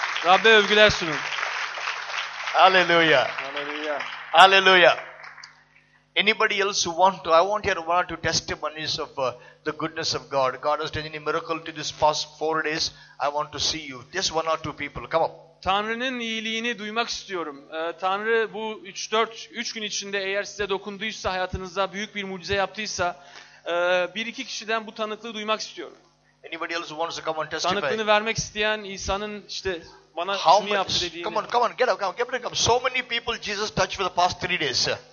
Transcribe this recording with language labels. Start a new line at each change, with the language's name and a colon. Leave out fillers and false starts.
Turkish: Rab'be övgüler sunun. Hallelujah. Hallelujah. Hallelujah.
English: Anybody else who want to, I want to hear one or two testimonies of the goodness of God. God has done any miracle to this past 4 days. I want to see you. Just one or two people. Come up.
Turkish: Tanrı'nın iyiliğini duymak istiyorum. Tanrı bu 3 gün içinde eğer size dokunduysa, hayatınızda büyük bir mucize yaptıysa, bir iki kişiden bu tanıklığı duymak istiyorum.
English: Anybody else who wants to come and testify?
Turkish: Tanıklığını vermek isteyen İsa'nın işte bana şunu yaptı dediğini.
English: Come on, get up, come. So many people Jesus touched for the past 3 days.